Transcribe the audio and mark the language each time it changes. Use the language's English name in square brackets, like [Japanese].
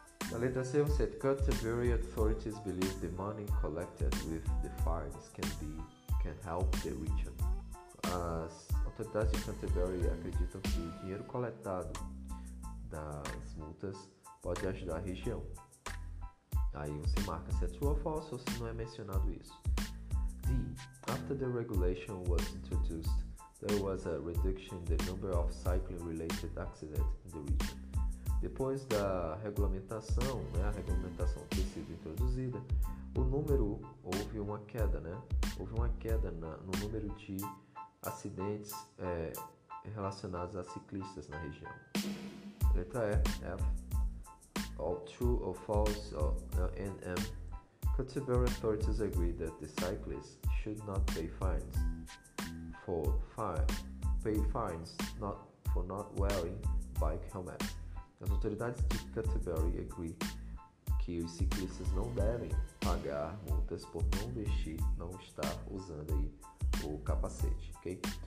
[Portuguese] Na letra C você diz: [English] Canterbury authorities believe the money collected with the fines can help the region. [Portuguese] As autoridades de Canterbury acreditam que o dinheiro coletado das multas pode ajudar a região. Aí você marca se é true ou false, ou se não é mencionado isso. D. [English] After the regulation was introduced, there was a reduction in the number of cycling-related accidents in the region. [Portuguese] Depois da regulamentação, né, a regulamentação ter sido introduzida, houve uma queda no número de acidentes relacionados a ciclistas na região. Letra E, F. [English] All true or false, or NM. Canterbury authorities agree that the cyclists should not pay fines for not wearing bike helmets. [Portuguese] As autoridades de Canterbury agree que os ciclistas não devem pagar multas por não estar usando aí o capacete, ok?